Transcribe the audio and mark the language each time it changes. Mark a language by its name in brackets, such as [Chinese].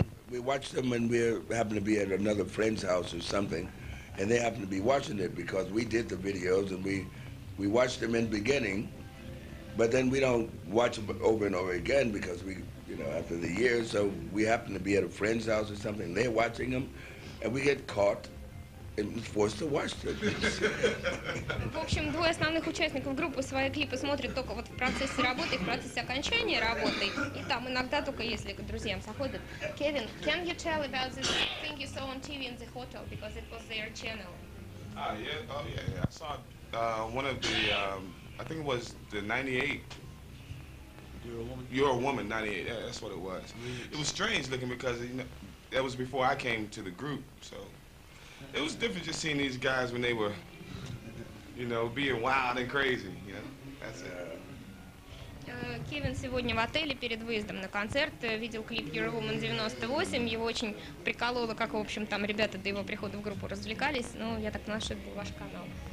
[English] We watch them when we happen to be at another friend's house or something, and they happen to be watching it because we did the videos and we watched them in the beginning, but then we don't watch them over and over again because we, you know, after the years, so we happen to be at a friend's house or something, they're watching them, and we get caught and forced to watch them. [Russian] В общем, двое основных участников группы свои клипы смотрят только вот в процессе работы, в процессе окончания работы, и там иногда только если к друзьям заходят. [English] Kevin, can you tell about this thing you saw on TV in the hotel, because it was their channel? Yeah. I saw one of the, I think it was the 98. You're a woman, 98. Yeah, that's what it was. It was strange looking because, you know, that was before I came to the group, so. It was different just seeing these guys when they were, you know, being wild and crazy, you know? That's it. [Russian] Кевин сегодня в отеле перед выездом на концерт видел клип Your Woman 98. Его очень прикололо, как, в общем, там ребята до его прихода в группу развлекались. Ну, я так понимаю, что это был ваш канал.